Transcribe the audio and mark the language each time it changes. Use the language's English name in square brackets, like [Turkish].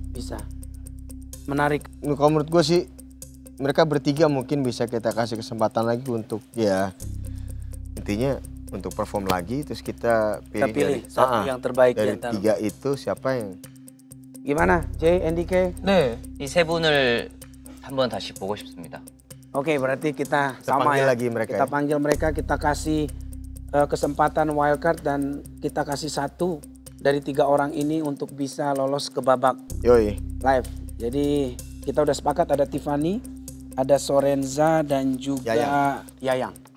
[Indonesian] bisa. Menarik. Kalau menurut gue sih, mereka bertiga mungkin bisa kita kasih kesempatan lagi untuk, ya, intinya untuk perform lagi, terus kita pilih dari, satu yang terbaik. Dari ya, tiga itu siapa yang... Gimana, JNDK? [Korean] 네, 이 세 분을 한번 다시 보고 싶습니다. [Indonesian] Oke, berarti kita sama panggil ya. Lagi mereka. Kita panggil mereka, kita kasih kesempatan wildcard dan kita kasih satu dari tiga orang ini untuk bisa lolos ke babak Yoi. Live. Jadi kita udah sepakat ada Tiffany, ada Sorenza dan juga Yayang.